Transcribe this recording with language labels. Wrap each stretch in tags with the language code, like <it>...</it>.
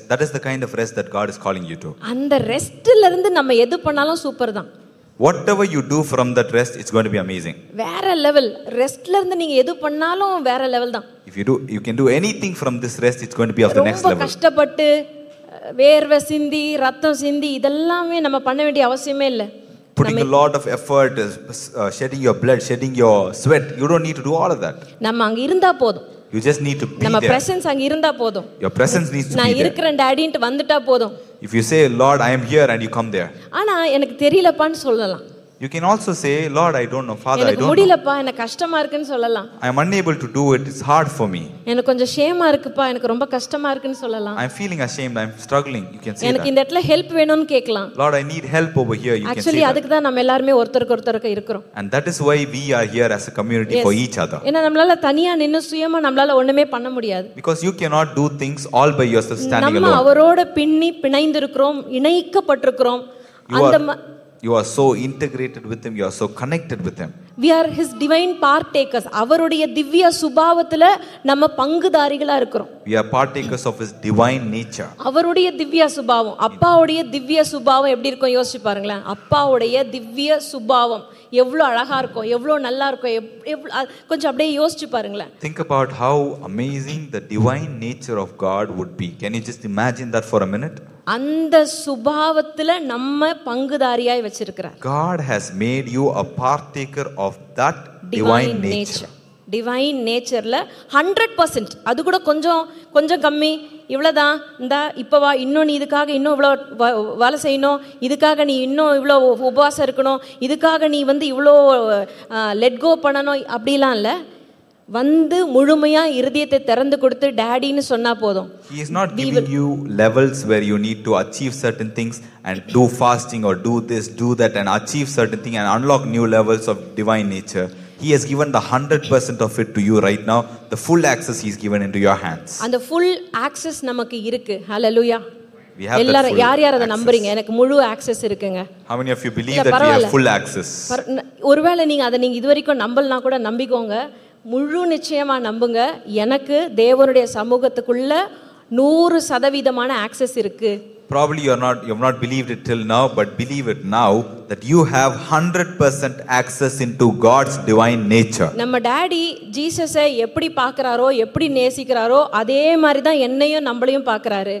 <en>That is the kind of rest that God is calling you to.</en> <ta>அந்த ரெஸ்ட்ல இருந்து நம்ம எது பண்ணாலும் சூப்பர் தான்.</ta> <en>Whatever you do from that rest, it's going to be amazing.</en> <ta>வேற level. ரெஸ்ட்ல இருந்து நீங்க எது பண்ணாலும் வேற லெவல் தான்.</ta> <en>If you can do anything from this rest, it's going to be of the next level.</en> <ta>ரொம்ப கஷ்டப்பட்டு வேர்வை சிந்தி ரத்தம் சிந்தி இதெல்லாமே நம்ம பண்ண வேண்டிய அவசியமே இல்ல.</ta> <en>Putting a lot of effort, shedding your blood, shedding your sweat, you don't need to do all of that.</en> <ta>நம்ம அங்க இருந்தா போதும்.</ta> <en>You just need to be</en> <ta>நம்ம presence அங்க இருந்தா போதும்.</ta> <en>Your presence needs to be there.</en> <ta>நான் இருக்கிறேன் டாடின்ட்டு வந்துட்டா போதும்.</ta> <en>If you say, Lord, I am here and you come there.</en> <ta>ஆனா எனக்கு தெரியலப்பான்னு சொல்லலாம்.</ta> <en>You can also say, Lord, I don't know. Father, I don't know.</en> <ta>எனக்கு கஷ்டமா இருக்குன்னு சொல்லலாம்.</ta> <en>I am unable to do it. It's hard for me.</en> <ta>எனக்கு கொஞ்சம் ஷேமா இருக்குப்பா. எனக்கு ரொம்ப கஷ்டமா இருக்குன்னு சொல்லலாம்.</ta> <en>I am feeling ashamed. I am struggling. You can say that.</en> <ta>எனக்கு இந்த இடத்துல ஹெல்ப் வேணும்னு கேக்கலாம்.</ta> <en>Lord, I need help over here. You can say that.</en> <ta>Actually, அதுக்கு தான் நம்ம எல்லாரும் ஒருத்தருக்கு ஒருத்தருக்கு இருக்குறோம்.</ta> <en>And that is why we are here as a community for each other.</en> <ta>ஏன்னா நம்மளால தனியா நின்னு சுயமா நம்மளால ஒண்ணுமே பண்ண முடியாது.</ta> <en>Because you cannot do things all by yourself standing alone.</en> <ta>நம்ம அவரோட பின்னி பிணைந்து இருக்கோம். இணைக்கப்பட்டிருக்கோம்.</ta> <en>You are so integrated with him. You are so connected with him. We are his divine partakers.</en> <ta>அவருடைய திவ்ய சுபாவத்துல நம்ம பங்குதாரிகளா இருக்கிறோம்.</ta> <en>We are partakers of his divine nature.</en> <ta>அவருடைய திவ்ய சுபாவம், அப்பாவுடைய திவ்ய சுபாவம் எப்படி இருக்கும் யோசிச்சு பாருங்களேன். அப்பாவுடைய திவ்ய சுபாவம் எவ்வளவு அழகா இருக்கும், எவ்வளவு நல்லா இருக்கும், கொஞ்சம் அப்படியே யோசிச்சு பாருங்களேன்.</ta> <en>Think about how amazing the divine nature of God would be. Can you just imagine that for a minute?</en> <ta>அந்த சுபாவத்துல நம்ம பங்குதாரியாய் வச்சிருக்கிறார்.</ta> <en>God has made you a partaker of that divine nature.</en> <ta>Divine natureல 100% அது கூட கொஞ்சம் கொஞ்சம் கம்மி இவ்வளவுதான். இந்த இப்பவா இன்னும் நீ இதுக்காக இன்னும் இவ்வளவு வேலை செய்யணும், இதுக்காக நீ இன்னும் இவ்வளவு உபவாசம் இருக்கணும், இதுக்காக நீ வந்து இவ்வளோ லெட் கோ பண்ணணும் அப்படிலாம் இல்லை. வந்து முழுமையா இதயத்தை திறந்து கொடுத்து டாடின்னு சொன்னா போதும்.</ta> <en>He is not giving you levels where you need to achieve certain things and do fasting or do this, do that and achieve certain thing and unlock new levels of divine nature. He has given the 100% of it to you right now. The full access he has given into your hands.</en> <ta>அந்த full access நமக்கு இருக்கு.</ta> <en>Hallelujah. We have full access.</en> <ta>யார் யார் அத நம்புறீங்க? எனக்கு முழு access இருக்குங்க.</ta> <en>How many of you believe that we have full access?</en> <ta>ஒருவேளை நீங்க அத நீங்க இதுவரைக்கும் நம்பலனா கூட நம்பிக்கோங்க. முழு நிச்சயமா நம்புங்க. எனக்கு தேவனுடைய சமூகத்துக்குள்ள 100% ஆக்சஸ் இருக்கு.</ta> <en>Probably you have not believed it till now, but believe it now that you have 100% access into God's divine nature.</en> <ta>நம்ம டாடி ஜீசஸை எப்படி பார்க்கறாரோ, எப்படி நேசிக்கிறாரோ அதே மாதிரி தான் என்னையும் நம்மளையும் பார்க்கறாரு.</ta>